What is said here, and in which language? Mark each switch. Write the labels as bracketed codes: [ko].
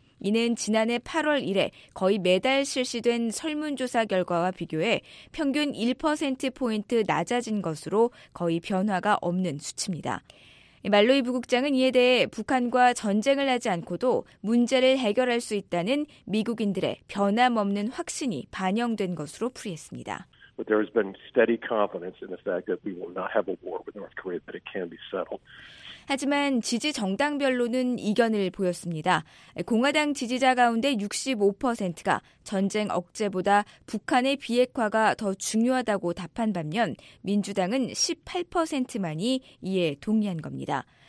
[ko] 이는 지난해 8월 이래 거의 매달 실시된 설문조사 결과와 비교해 평균 1%포인트 낮아진 것으로 거의 변화가 없는 수치입니다. 말로이 부국장은 이에 대해 북한과 전쟁을 하지 않고도 문제를 해결할 수 있다는 미국인들의 변함없는 확신이 반영된 것으로 풀이했습니다. [en] But there has been steady confidence in the fact that we will not have a war with North Korea, that it can be settled. [ko] 하지만 지지 정당별로는 이견을 보였습니다. 공화당 지지자 가운데 65%가 전쟁 억제보다 북한의 비핵화가 더 중요하다고 답한 반면 민주당은 18%만이 이에 동의한 겁니다.